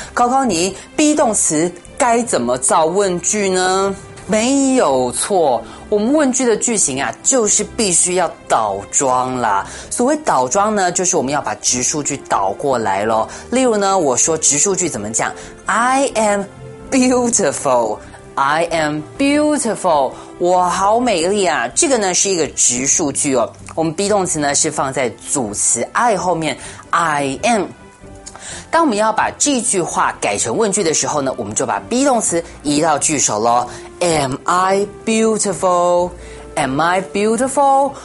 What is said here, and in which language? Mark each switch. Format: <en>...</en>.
<zh>考考你 be 动词该怎么造问句呢？没有错，我们问句的句型啊，就是必须要倒装啦。所谓倒装呢，就是我们要把直述句倒过来咯。例如呢，我说直述句怎么讲？</zh> <en>I am beautiful， I am beautiful，</en> <zh>我好美丽啊。这个呢是一个直述句哦。我们 be 动词呢是放在主词 I 后面，</zh> <en>I am。</en> <zh>当我们要把这句话改成问句的时候呢，我们就把 be 动词移到句首咯。</zh> <en>Am I beautiful? Am I beautiful?</en>